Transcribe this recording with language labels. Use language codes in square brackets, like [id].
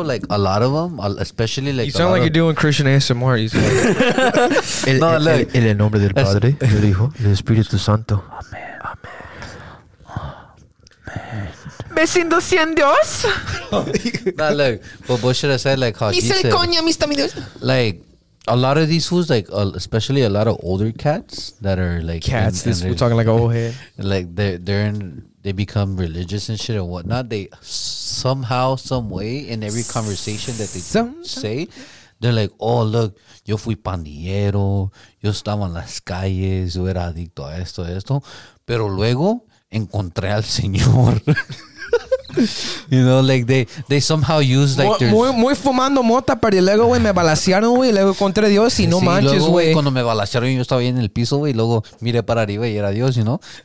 [en] Like a lot of them, especially like you sound like you're doing Christian ASMR. [es] El nombre del Padre, del Hijo, del Espíritu Santo. Amén. Me siento sin Dios. [en] Not like, but what should I say? Like how he said. Like. A lot of these fools, like especially a lot of older cats that are like cats. We're talking like old head. Like they become religious and shit and whatnot. They somehow, some way, in every conversation that they say, they're like, "Oh, look, [es] yo fui pandillero, yo estaba en las calles, yo era adicto a esto, esto, pero luego encontré al señor." [en] You know, like they somehow use like [es] muy fumando mota, pero luego güey me balacearon, güey, luego encontré Dios y no sí, manches, güey. Cuando me balacearon yo estaba ahí en el piso, güey, luego miré para arriba y era Dios, ¿no?